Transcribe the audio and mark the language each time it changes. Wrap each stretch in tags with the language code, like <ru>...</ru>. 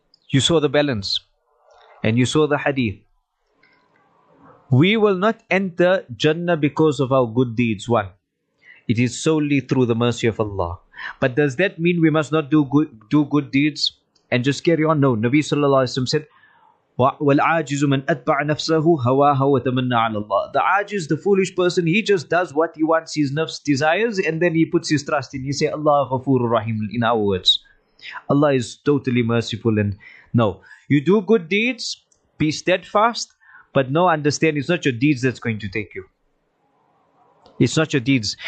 <en>You saw the balance, and you saw the hadith. We will not enter Jannah because of our good deeds. Why? It is solely through the mercy of Allah. But does that mean we must not do good deeds? and just carry on. No, Nabi sallallahu alayhi wa sallam said,</en> <ar>وَالْعَاجِزُ مَنْ أَتْبَعَ نَفْسَهُ هَوَاهَا وَتَمَنَّ عَلَى اللَّهِ.</ar> <en>The ajiz, the foolish person, he just does what he wants, his nafs desires, and then he puts his trust in. He say, Allah</en> <ar>غَفُورُ رَحِيمٌ,</ar> <en>in our words. Allah is totally merciful. And no, you do good deeds, be steadfast, but no, understand, it's not your deeds that's going to take you. It's not your deeds.</en>